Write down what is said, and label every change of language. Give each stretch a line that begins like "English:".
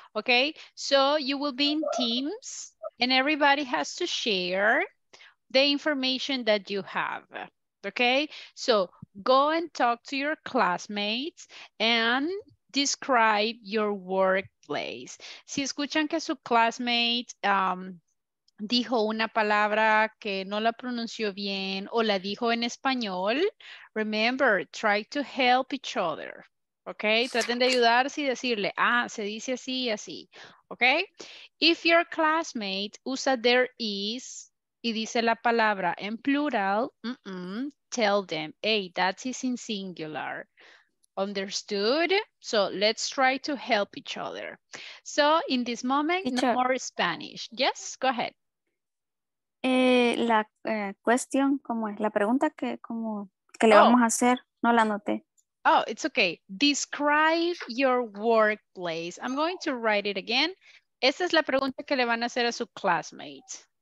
English: Okay, so you will be in teams and everybody has to share the information that you have. Okay, so go and talk to your classmates and describe your workplace.
Spanish: Si escuchan que su classmate dijo una palabra que no la pronunció bien o la dijo en español,
English: remember, try to help each other.
Spanish: Okay, traten de ayudarse y decirle, ah, se dice así y así.
English: Okay, if your classmate usa there is
Spanish: y dice la palabra en plural,
English: tell them, hey, that is in singular. Understood? So let's try to help each other. So in this moment, teacher, no more Spanish. Yes, go ahead.
Spanish: La question, ¿cómo es? La pregunta que, como, que le vamos a hacer, no la anoté.
English: Oh, it's okay. Describe your workplace. I'm going to write it again.
Spanish: Esa es la pregunta que le van a hacer a su classmate.